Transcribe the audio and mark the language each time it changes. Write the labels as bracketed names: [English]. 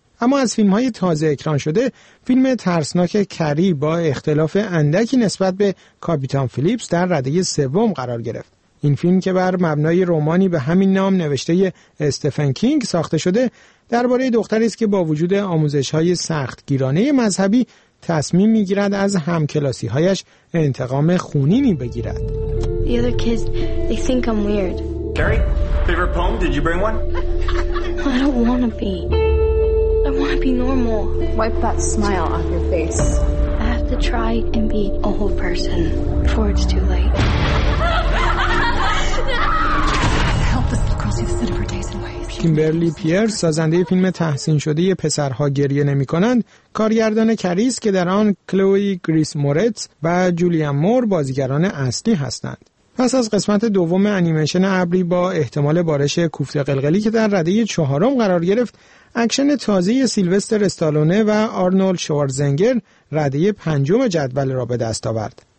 [Persian] اما از فیلم‌های تازه اکران شده، فیلم ترسناک کری با اختلاف اندکی نسبت به کاپیتان فیلیپس در رده سوم قرار گرفت. این فیلم که بر مبنای رمانی به همین نام نوشته استفن کینگ ساخته شده، درباره دختری است که با وجود آموزش‌های سختگیرانه مذهبی تصمیم می‌گیرد از همکلاسی‌هایش انتقام خونینی بگیرد. [English] The other kids, they think I'm weird. Carrie, favorite poem? Did you bring one? I don't want to be. I want to be normal. Wipe that smile off your face. I have to try and be a whole person before it's too late. [Persian] کیمبرلی پیرس، سازنده فیلم تحسین شده پسرها گریه نمی کنند، کارگردان کریس که در آن کلوی گریس مورتز و جولیان مور بازیگران اصلی هستند. پس از قسمت دوم انیمیشن ابری با احتمال بارش کوفته قلقلی که در رده چهارم قرار گرفت، اکشن تازه سیلوستر استالونه و آرنولد شوارزنگر رده پنجم جدول را به دست آورد.